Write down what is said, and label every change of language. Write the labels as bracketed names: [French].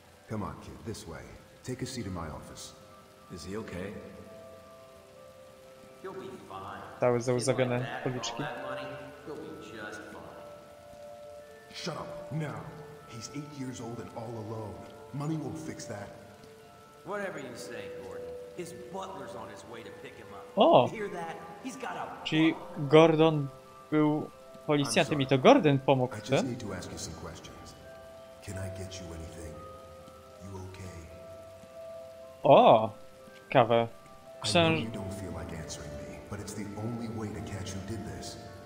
[English] Come on, kid, this way. Take a seat in my office. Is he okay? He'll be fine. [Polish] Stały załzawione policzki. [English] Shut up now. He's 8 years old and all alone. Money won't fix that. Whatever you say, Gordon. His butler's on his way to pick him up. O! [Polish] Czy Gordon był policjantem i to Gordon pomógł, czy? [English] I just need to ask you some questions. Can I get you anything? You okay? [Polish] O! Ciekawe. Książ... [English] I know you don't feel like answering me, but it's the only way to catch who did this.